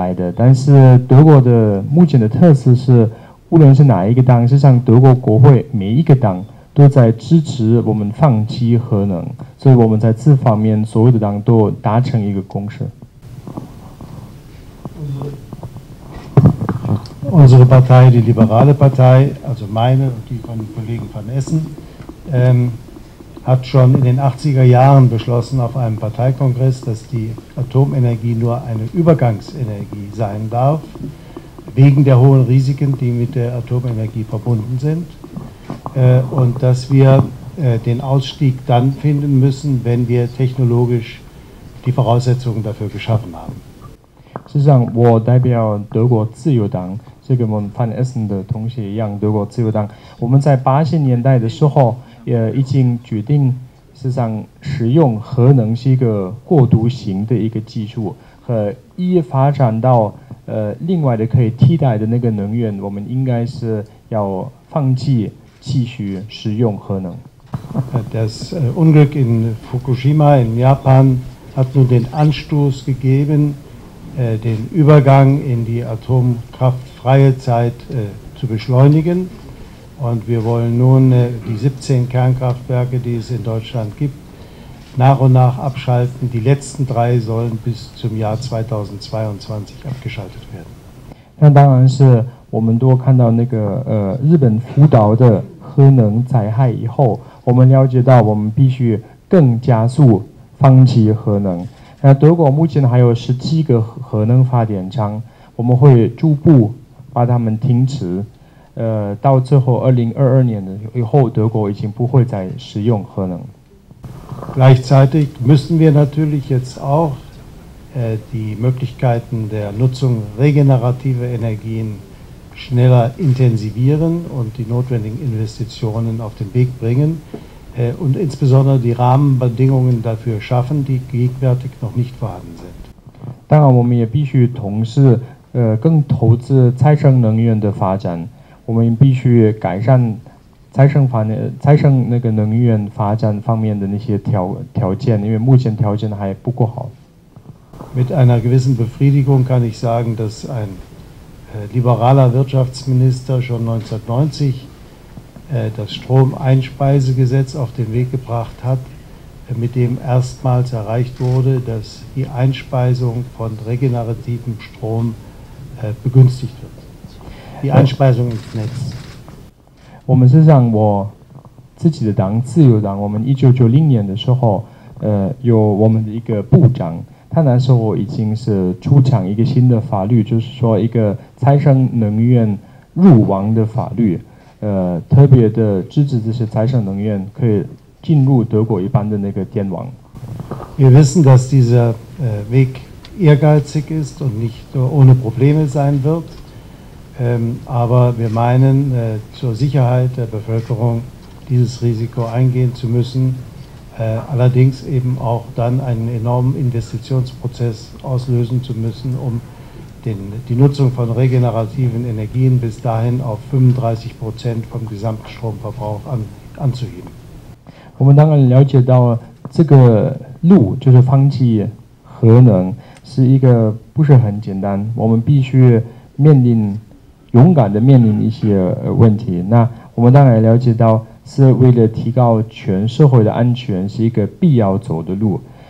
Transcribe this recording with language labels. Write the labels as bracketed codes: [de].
[zh] 在就是也非常的感谢这一次邀请，我们也以为我们有机会到民进党的那个总部，跟你继续谈很多不同的议题。你刚刚说提出的能源政策当然是非常重要的议题之一。我们这里是代表团，是德国不同的党来的，但是德国的目前的特色是，无论是哪一个党，事实上德国国会每一个党。都在支持我们放弃核能，所以我们在这方面所有的党都达成一个共识。 [de] Unsere Partei, die Liberale Partei, also meine und die von den Kollegen von Essen, hat schon in den 80er Jahren beschlossen auf einem Parteikongress, dass die Atomenergie nur eine Übergangsenergie sein darf, wegen der hohen Risiken, die mit der Atomenergie verbunden sind, und dass wir den Ausstieg dann finden müssen, wenn wir technologisch die Voraussetzungen dafür geschaffen haben. [zh] 事实上，我代表德国自由党，这跟我们范埃森的同学一样，德国自由党。我们在80年代的时候，已经决定，事实上使用核能是一个过渡型的一个技术，和一发展到另外的可以替代的那个能源，我们应该是要放弃继续使用核能。 [de] Das Unglück in Fukushima in Japan hat nun den Anstoß gegeben. Den Übergang in die atomkraftfreie Zeit zu beschleunigen. Und wir wollen nun die 17 Kernkraftwerke, die es in Deutschland gibt, nach und nach abschalten. Die letzten drei sollen bis zum Jahr 2022 abgeschaltet werden. [zh] 那当然是我们都看到那个日本福岛的核能灾害以后，我们了解到我们必须更加速放弃核能。那德国目前还有17个核能发电厂，我们会逐步把它们停止。到最后2022年的以后，德国已经不会再使用核能。 [de] Gleichzeitig müssen wir natürlich jetzt auch die Möglichkeiten der Nutzung regenerativer Energien schneller intensivieren und die notwendigen Investitionen auf den Weg bringen. Und insbesondere die Rahmenbedingungen dafür schaffen, die gegenwärtig noch nicht vorhanden sind. [zh] 当然，我们也必须同时，更投资再生能源的发展。我们必须改善再生那个能源发展方面的那些条件，因为目前条件还不够好。 [de] Mit einer gewissen Befriedigung kann ich sagen, dass ein liberaler Wirtschaftsminister schon 1990das Stromeinspeisegesetz auf den Weg gebracht hat, mit dem erstmals erreicht wurde, dass die Einspeisung von regenerativem Strom begünstigt wird. Die Einspeisung ins Netz. [zh] 我们事实上，我自己的党自由党，我们1990年的时候，有我们的一个部长，他那时候已经是出厂一个新的法律，就是说一个再生能源入网的法律。特别的支持这些再生能源可以进入德国一般的那个电网。 [de] Wir wissen, dass dieser Weg ehrgeizig ist und nicht ohne Probleme sein wird. Aber wir meinen, zur Sicherheit der Bevölkerung dieses Risiko eingehen zu müssen, allerdings eben auch dann einen enormen Investitionsprozess auslösen zu müssen, um die Nutzung von regenerativen Energien bis dahin auf 35% vom Gesamtstromverbrauch anzuheben. [zh] 我们当然了解到这个路就是放弃核能是一个不是很简单，我们必须面临勇敢的面临一些问题。那我们当然了解到是为了提高全社会的安全是一个必要走的路。